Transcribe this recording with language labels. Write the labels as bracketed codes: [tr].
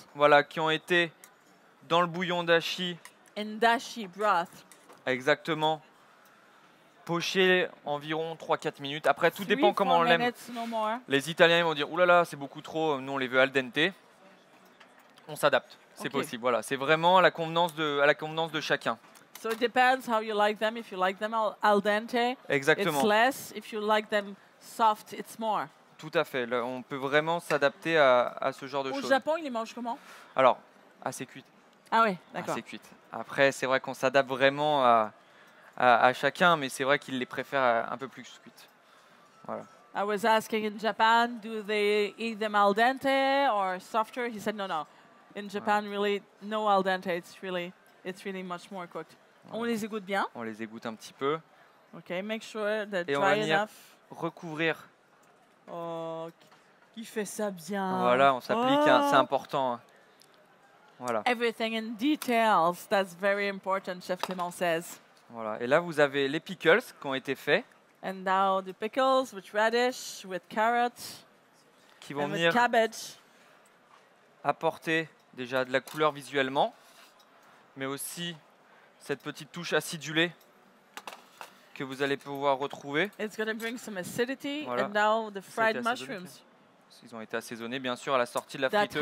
[fr] Voilà, qui ont été dans le bouillon dashi. [en] In dashi broth. [fr] Exactement. pocher environ 3-4 minutes. Après, tout dépend comment on l'aime. Les Italiens ils vont dire, oulala, c'est beaucoup trop, nous on les veut al dente. On s'adapte, c'est okay. possible. Voilà. C'est vraiment à la convenance de chacun. [en] So it depends how you like them. If you like them al dente, [fr] Exactement. [en] It's less. If you like them soft, it's more. [fr] Tout à fait. Là, on peut vraiment s'adapter à ce genre de choses. Au Japon, ils les mangent comment? Alors, assez cuite. Ah oui, d'accord. Assez cuite. Après, c'est vrai qu'on s'adapte vraiment à chacun, mais c'est vrai qu'ils les préfèrent un peu plus cuites. Voilà. [en] I was asking in Japan, do they eat them al dente or softer? He said no, no. In Japan, really, no al dente. It's really much more cooked. Ouais. [fr] On les égoutte bien. On les égoutte un petit peu. [en] Okay, make sure that dry enough. [fr] Et on va recouvrir. Oh, qui fait ça bien. Voilà, on s'applique, oh. hein, c'est important. Voilà. [en] Everything in details, that's very important, Chef Clément says. [fr] Voilà, et là vous avez les pickles qui ont été faits. [en] And now the pickles with radish, with carrots, [fr] qui vont [en] and [fr] venir [en] with cabbage. [fr] Apporter déjà de la couleur visuellement, mais aussi cette petite touche acidulée que vous allez pouvoir retrouver. [en] It's going to bring some acidity voilà. and now the fried mushrooms. [fr] Ils ont été assaisonnés bien sûr à la sortie de la friteuse.